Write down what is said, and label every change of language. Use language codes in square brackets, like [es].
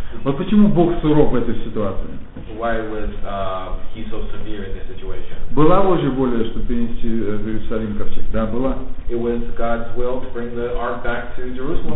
[ru] Вот почему Бог суров в этой ситуации? [en] Why was he so severe in this situation? [ru] Была Божья воля, чтобы перенести в Иерусалим ковчег? Да, была. [en] It was God's will to bring the ark back to Jerusalem.